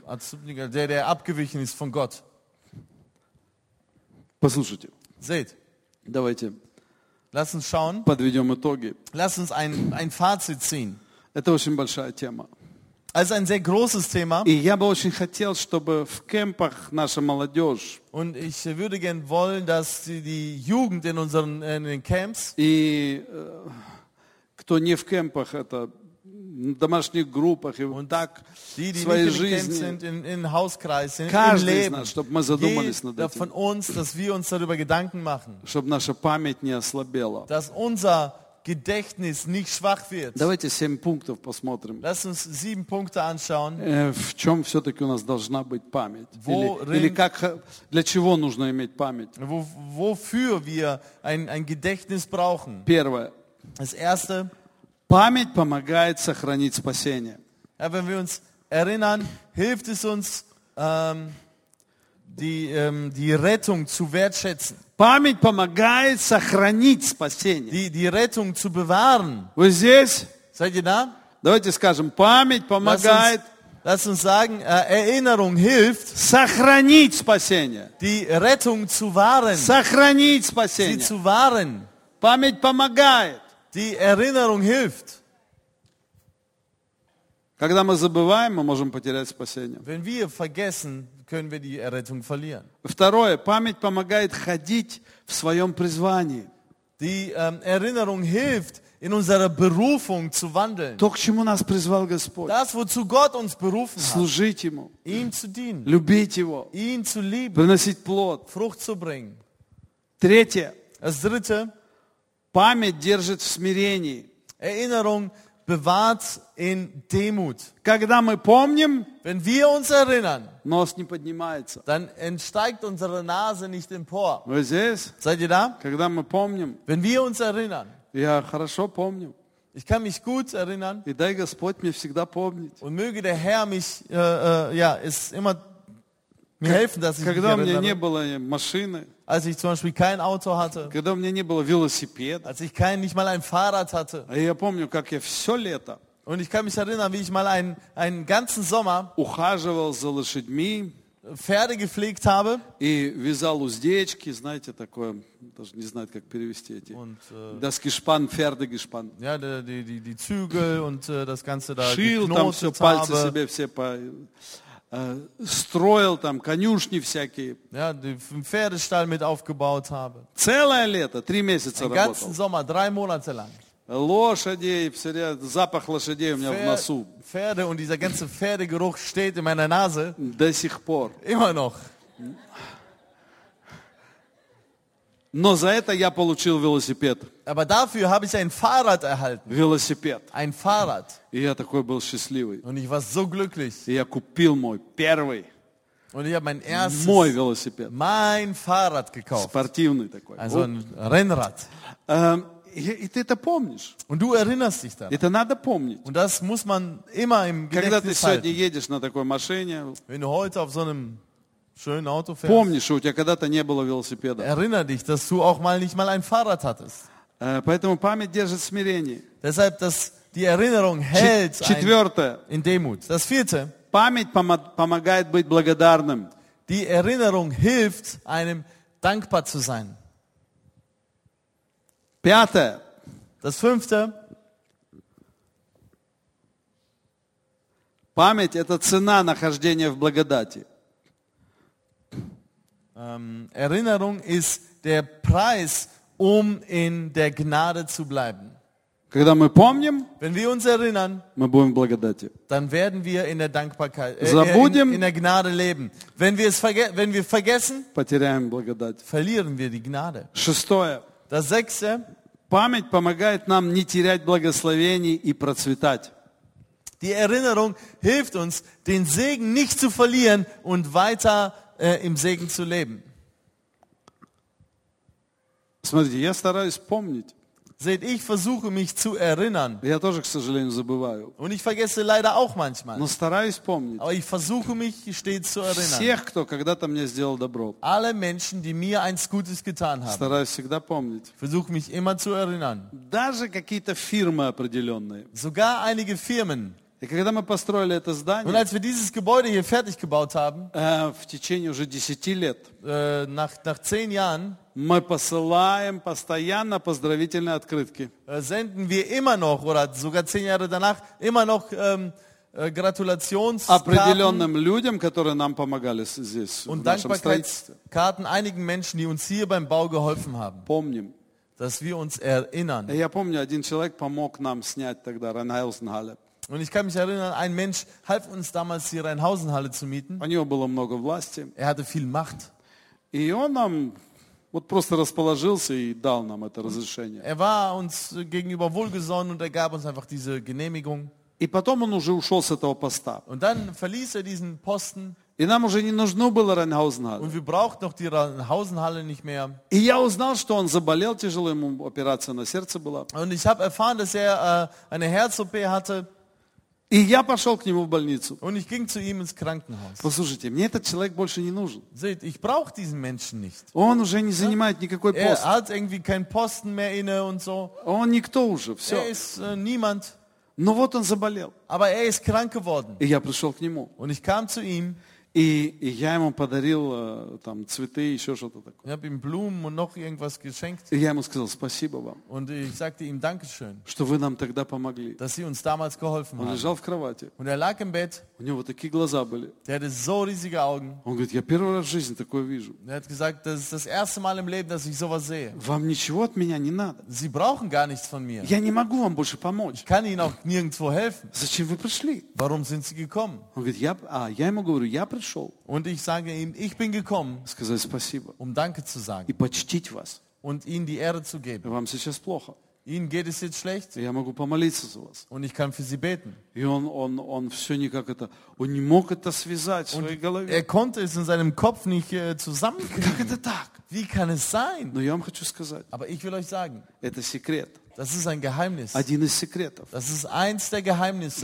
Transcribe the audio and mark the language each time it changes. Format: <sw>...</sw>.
<ru>Отступника,</ru> <de>der abgewichen ist von Gott.</de> <ru>Послушайте.</ru> <de>Seht.</de> <ru>Давайте.</ru> <de>Lass uns schauen.</de> <ru>Подведем итоги.</ru> <de>Lass uns ein Fazit ziehen.</de> <ru>Это очень большая тема.</ru> <de>Also ein sehr großes Thema.</de> <ru>И я бы очень хотел, чтобы в кемпах наша молодежь.</ru> <de>Und ich würde gern wollen, dass die Jugend in unseren in den Camps.</de> <ru>И кто не в кемпах, это в домашних группах и und так</ru> <de>die</de> <ru>в своей жизни.</ru> <de>Sind, in Hauskreis, in</de> <ru>каждый</ru> <de>im Leben,</de> <ru>из нас, чтобы мы задумались над этим.</ru> <de>Von uns, dass wir uns darüber Gedanken machen.</de> <ru>Чтобы наша память не ослабела.</ru> <de>Dass unser Gedächtnis nicht schwach wird.</de> <ru>Давайте 7 пунктов посмотрим.</ru> <de>Lass uns 7 Punkte anschauen.</de> <ru>В чем все-таки у нас должна быть память?</ru> <de>Worin,</de> <ru>или как, для чего нужно иметь память?</ru> <de>Wofür wir ein Gedächtnis brauchen?</de> <ru>Первое.</ru> <de>Das erste,</de> <ru>память помогает сохранить спасение.</ru> <de>Ja, wenn wir uns erinnern, hilft es uns, die Rettung zu wertschätzen.</de> <ru>Память помогает сохранить спасение.</ru> <de>Die Rettung zu bewahren.</de> <ru>Вы здесь?</ru> <de>Seid ihr da?</de> <ru>Давайте скажем, память помогает.</ru> <de>Lass uns sagen, Erinnerung hilft,</de> <ru>сохранить спасение.</ru> <de>Die Rettung zu wahren.</de> <ru>Сохранить спасение.</ru> <de>Sie zu wahren.</de> <ru>Память помогает.</ru> <de>Die Erinnerung hilft.</de> <ru>Когда мы забываем, мы можем потерять спасение.</ru> <de>Wenn wir vergessen, können wir die Errettung verlieren.</de> <ru>Второе, память помогает ходить в своем призвании.</ru> <de>Die Erinnerung hilft, in unserer Berufung zu wandeln.</de> <ru>То, к чему нас призвал Господь.</ru> <de>Das, wozu Gott uns berufen hat.</de> <ru>Служить ему.</ru> <de>Ihm zu dienen.</de> <ru>Любить его.</ru> <de>Ihn zu lieben.</de> <ru>Приносить плод.</ru> <de>Frucht zu bringen.</de> <ru>Третье.</ru> <de>Das dritte.</de> <ru>Память держит в смирении.</ru> <de>Erinnerung bewahrt in Demut.</de> <ru>Когда мы помним,</ru> <de>wenn wir uns erinnern,</de> <ru>нос не поднимается.</ru> <de>Dann entsteigt unsere Nase nicht empor.</de> <ru>Вы здесь?</ru> <de>Seid ihr da?</de> <ru>Когда мы помним,</ru> <de>wenn wir uns erinnern,</de> <ru>я хорошо помню.</ru> <de>Ich kann mich gut erinnern.</de> <ru>И дай Господь мне всегда помнить.</ru> <de>Und möge der Herr mich, ist immer mir helfen, dass ich mich erinnere.</de> <ru>Когда у меня не было машины.</ru> <de>Als ich zum Beispiel kein Auto hatte.</de> <ru>Когда у меня не было велосипеда.</ru> <de>Als ich kein, nicht mal ein Fahrrad hatte.</de> <ru>А я помню, как я все лето.</ru> <de>Und ich kann mich erinnern, wie ich mal einen ganzen Sommer</de> <ru>ухаживал за лошадьми.</ru> <de>Pferde gepflegt habe.</de> <ru>И вязал уздечки, знаете, такое, даже не знаю, как перевести эти.</ru> <de>Das Gespann, Pferdegespann. Ja, die Zügel und das Ganze da.</de> <ru>Шил там все, пальцы себе все по... строил там конюшни всякие.</ru> <de>Ja, den Pferdestall mit aufgebaut habe.</de> <ru>Целое лето, три месяца работал.</ru> <de>Den ganzen Sommer, drei Monate lang.</de> <ru>Лошади, все, запах лошадей у меня в носу.</ru> <de>Pferde und dieser ganze Pferdegeruch steht in meiner Nase.</de> <ru>До сих пор.</ru> <de>Immer noch.</de> <ru>Но за это я получил велосипед.</ru> <de>Aber dafür habe ich ein Fahrrad erhalten.</de> <ru>Велосипед.</ru> <de>Ein Fahrrad.</de> <ru>И я такой был счастливый.</ru> <de>Und ich war so glücklich.</de> <ru>И я купил мой первый.</ru> <de>Und ich habe mein erstes.</de> <ru>Мой велосипед.</ru> <de>Mein Fahrrad gekauft.</de> <ru>Спортивный такой.</ru> <de>Also ein Rennrad.</de> <ru>И ты это помнишь.</ru> <de>Und du erinnerst dich daran.</de> <ru>Это надо помнить.</ru> <de>Und das muss man immer im Gedächtnis halten.</de> <ru>Когда ты сегодня едешь на такой машине,</ru> <de>wenn du heute auf so einem schönen Auto fährst,</de> <ru>помнишь, у тебя когда-то не было велосипеда.</ru> <de>Erinner dich, dass du auch mal nicht mal ein Fahrrad hattest.</de> <ru>Поэтому память держит смирение.</ru> <de>Deshalb, dass die Erinnerung hält in Demut. Das vierte.</de> <ru>Память помогает быть благодарным.</ru> <de>Die Erinnerung hilft, einem dankbar zu sein.</de> <ru>Пятое.</ru> <de>Das fünfte.</de> <ru>Память – это цена нахождения в благодати.</ru> <de>Erinnerung ist der Preis, um in der Gnade zu bleiben.</de> <ru>Когда мы помним,</ru> <de>wenn wir uns erinnern,</de> <ru>мы будем в благодати.</ru> <de>Dann werden wir in der Dankbarkeit,</de> <ru>забудем,</ru> <de>in der Gnade leben. Wenn wir vergessen,</de> <ru>потеряем благодать.</ru> <de>Verlieren wir die Gnade.</de> <ru>Шестое.</ru> <de>Das sechste.</de> <ru>Память помогает нам не терять благословений и процветать.</ru> <de>Die Erinnerung hilft uns, den Segen nicht zu verlieren und weiter im Segen zu leben.</de> <ru>Смотрите, я стараюсь помнить.</ru> <de>Seht, ich versuche mich zu erinnern.</de> <ru>Я тоже, к сожалению, забываю.</ru> <de>Und ich vergesse leider auch manchmal.</de> <ru>Но стараюсь помнить.</ru> <de>Aber ich versuche mich stets zu erinnern.</de> <ru>Всех, кто когда-то мне сделал добро.</ru> <de>Alle Menschen, die mir eins Gutes getan haben.</de> <ru>Стараюсь всегда помнить.</ru> <de>Versuche mich immer zu erinnern.</de> <ru>Даже какие-то фирмы определенные.</ru> <de>Sogar einige Firmen.</de> <ru>И когда мы построили это здание,</ru> <de>und als wir dieses Gebäude hier fertig gebaut haben,</de> <ru>в течение уже 10 лет,</ru> <de>nach 10 Jahren,</de> <ru>мы посылаем постоянно поздравительные открытки.</ru> <de>Senden wir immer noch, oder sogar 10 Jahre danach, immer noch Gratulationskarten.</de> <ru>Определенным людям, которые нам помогали здесь,</ru> <de>und</de> <ru>в нашем строительстве.</ru> <de>Karten einigen Menschen, die uns hier beim Bau geholfen haben.</de> <ru>Помним.</ru> <de>Dass wir uns erinnern.</de> <ru>Я помню, один человек помог нам снять тогда Rheinhausenhalle.</ru> <de>Und ich kann mich erinnern, ein Mensch half uns damals, die Rheinhausenhalle zu mieten.</de> <ru>У него было много власти.</ru> <de>Er hatte viel Macht.</de> <ru>И он нам вот просто расположился и дал нам это разрешение.</ru> <de>Er war uns gegenüber wohlgesonnen und er gab uns einfach diese Genehmigung.</de> <ru>И потом он уже ушел с этого поста.</ru> <de>Und dann verließ er diesen Posten.</de> <ru>И нам уже не нужно было Ренхаузенхалле.</ru> <de>Und wir brauchten auch die Ренхаузенхалле nicht mehr.</de> <ru>И я узнал, что он заболел тяжело, ему операция на сердце была.</ru> <de>Und ich habe erfahren, dass er eine Herz-OP hatte.</de> <ru>И я пошел к нему в больницу.</ru> <de>Und ich ging zu ihm ins Krankenhaus.</de> <ru>Послушайте, мне этот человек больше не нужен.</ru> <de>Seht, ich brauche diesen Menschen nicht.</de> <ru>Он уже не занимает никакой пост.</ru> <de>Er hat irgendwie keinen Posten mehr inne und so.</de> <ru>Он никто уже, все.</ru> <de>Er ist niemand.</de> <ru>Но вот он заболел.</ru> <de>Aber er ist krank geworden.</de> <ru>И я пришел к нему.</ru> <de>Und ich kam zu ihm.</de> <ru>И я ему подарил там цветы, еще что-то такое.</ru> <de>Ich habe ihm Blumen und noch irgendwas geschenkt.</de> <ru>И я ему сказал, спасибо вам.</ru> <de>Und ich sagte ihm Dankeschön.</de> <ru>Что вы нам тогда помогли.</ru> <de>Dass Sie uns damals geholfen haben.</de> <ru>Он лежал в кровати.</ru> <de>Und er lag im Bett.</de> <ru>У него такие глаза были.</ru> <de>Der hatte so riesige Augen.</de> <ru>Он говорит, я первый раз в жизни такое вижу.</ru> <de>Er hat gesagt, das ist das erste Mal im Leben, dass ich sowas sehe.</de> <ru>Вам ничего от меня не надо.</ru> <de>Sie brauchen gar nichts von mir.</de> <ru>Я не могу вам больше помочь.</ru> <de>Ich kann Ihnen auch nirgendwo helfen.</de> <ru>Зачем вы пришли?</ru> <de>Warum sind Sie gekommen?</de> <ru>Он говорит, я ему говорю, я пришел.</ru> <de>Und ich sage ihm, ich bin gekommen,</de> <ru>сказать, спасибо,</ru> <de>um Danke zu sagen</de> <ru>и почтить вас,</ru> <de>und ihnen die Ehre zu geben.</de> <ru>Вам сейчас плохо.</ru> <de>Ihnen geht es jetzt schlecht.</de> <ru>Я могу помолиться за вас.</ru> <de>Und ich kann für sie beten.</de> <ru>И он все никак это, он не мог это связать в своей голове.</ru> <de>Er konnte es in seinem Kopf nicht zusammenkriegen.</de> <ru>Как это так?</ru> <de>Wie kann es sein?</de> <ru>Но я вам хочу сказать.</ru> <de>Aber ich will euch sagen.</de> <ru>Это секрет.</ru> <de>Das ist ein Geheimnis.</de> <ru>Один из секретов.</ru> <de>Das ist eins der Geheimnisse.</de>